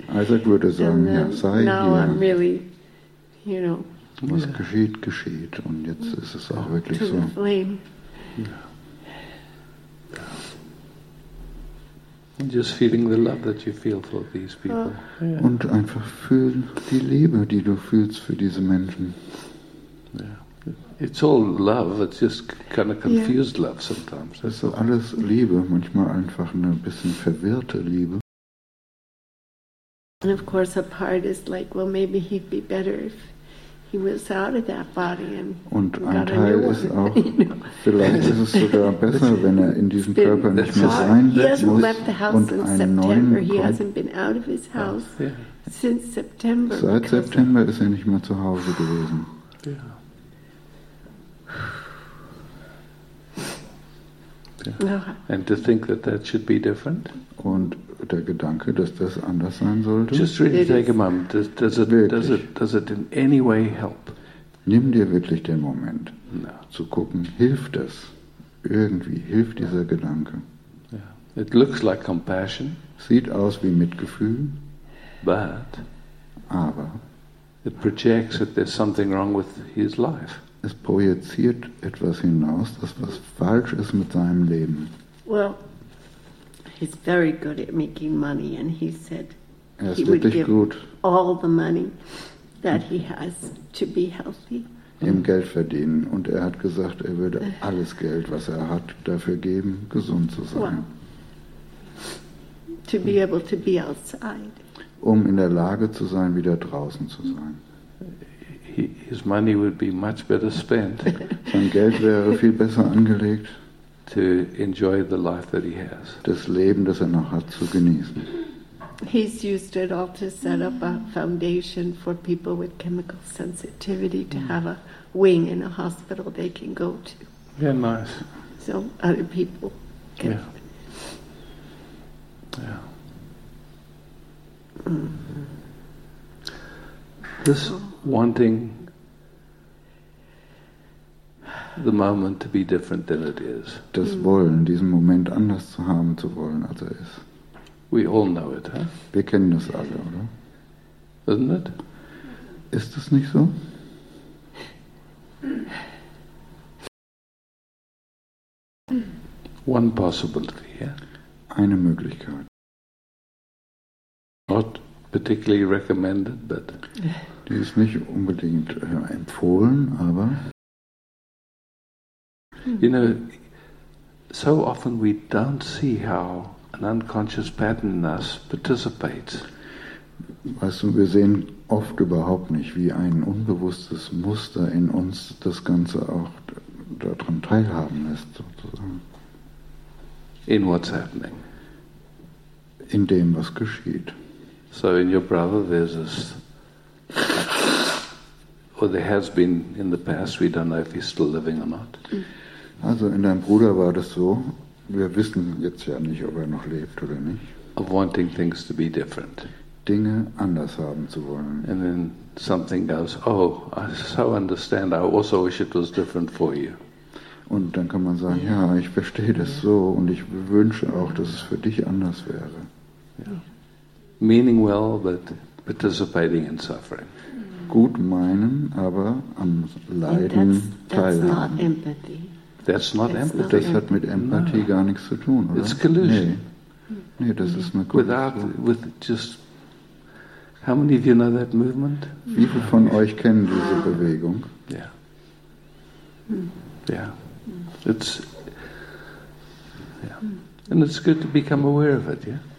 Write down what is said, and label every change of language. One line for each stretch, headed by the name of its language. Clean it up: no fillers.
German: Isaac würde sagen, ja, sei
English: now Now I'm really, you know.
German: Was yeah. geschieht, geschieht. Und jetzt ist es auch wirklich
English: to so. To the flame. Just feeling the love that you feel for these people. Oh, yeah.
German: Und einfach fühlen die Liebe, die du fühlst für diese Menschen.
English: Yeah. It's all love, it's just kind of confused yeah. love sometimes.
German: Es ist alles Liebe, manchmal einfach eine bisschen verwirrte Liebe.
English: And of course a part is like, well maybe he'd be better if he was out of that body and
German: und ein Teil ist auch, vielleicht ist es sogar besser, wenn er in diesem Körper nicht mehr sein muss und einen neuen kommt. Seit September ist er nicht mehr zu Hause gewesen.
English: And to think that that should be different.
German: Und der Gedanke, dass das anders sein sollte.
English: Just really take a moment. Does it in any way help?
German: Nimm dir wirklich den Moment, zu gucken, hilft das? Irgendwie hilft dieser Gedanke.
English: Yeah. It looks like compassion.
German: Sieht aus wie Mitgefühl.
English: But.
German: Aber.
English: It projects that there's something wrong with his life.
German: Es projiziert etwas hinaus, dass was falsch ist mit seinem Leben.
English: Well. He's very good at making money, and he said
German: er ist wirklich gut.
English: All the money that he has to be healthy.
German: Im Geld verdienen, und er hat gesagt, er würde alles Geld, was er hat, dafür geben, gesund zu sein.
English: Well, to be able to be outside.
German: Um in der Lage zu sein, wieder draußen zu sein.
English: His money would be much better spent.
German: Sein Geld wäre viel besser angelegt.
English: To enjoy the life that he has.
German: Das Leben, das er noch hat, zu genießen.
English: He's used it all to set up a foundation for people with chemical sensitivity to have a wing in a hospital they can go to. Yeah, nice. So other people can. Yeah. This wanting the moment to be different than it is.
German: Das Wollen, diesen Moment anders zu haben zu wollen, als er ist.
English: We all know it, huh?
German: Wir kennen das alle, oder?
English: Isn't it?
German: Ist das nicht so?
English: One possibility, yeah?
German: Eine Möglichkeit.
English: Not particularly recommended, but...
German: Die ist nicht unbedingt empfohlen, aber...
English: You know, so often we don't see how an unconscious pattern in us participates.
German: Weißt du, wir sehen oft überhaupt nicht, wie ein unbewusstes Muster in uns das Ganze auch daran teilhaben lässt, sozusagen.
English: In what's happening?
German: In dem, was geschieht.
English: So in your brother there's this, or there has been in the past, we don't know if he's still living or not.
German: Also in deinem Bruder war das so, wir wissen jetzt ja nicht, ob er noch lebt oder nicht.
English: Of wanting things to be different.
German: Dinge anders haben zu wollen.
English: And then something goes, oh, I so understand, I also wish it was different for you.
German: Und dann kann man sagen, ja, ich verstehe das so und ich wünsche auch, dass es für dich anders wäre.
English: Yeah. Meaning well, but participating in suffering.
German: Gut meinen, aber am Leiden teilhaben.
English: That's not empathy. That's not empathy.
German: Das hat mit Empathie gar nichts zu tun, oder?
English: It's collusion.
German: Nee, das ist eine Kollusion.
English: With just, how many of you know that movement?
German: Wie viele von euch kennen diese Bewegung?
English: Ja. Yeah. It's, yeah. And it's good to become aware of it, yeah?